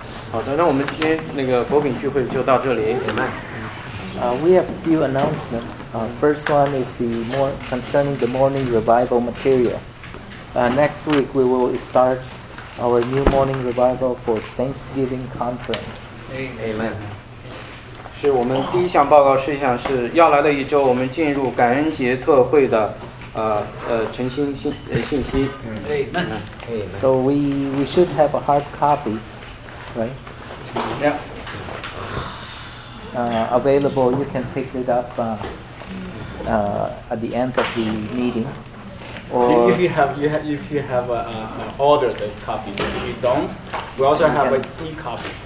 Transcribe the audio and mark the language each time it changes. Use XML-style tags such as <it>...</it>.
<zh>好的，那我们今天那个薄饼聚会就到这里。</zh> <en>We have a few announcements. First one is the more concerning the morning revival material. Next week we will start our new morning revival for Thanksgiving conference. Amen.</en> <zh>是我们第一项报告事项是要来的一周，我们进入感恩节特会的晨兴信息。</zh> <en>Amen. So we should have a hard copy, right? Yeah. Available, you can pick it up at the end of the meeting. Or if you have an ordered copy, if you don't, we also have an e-copy.</en>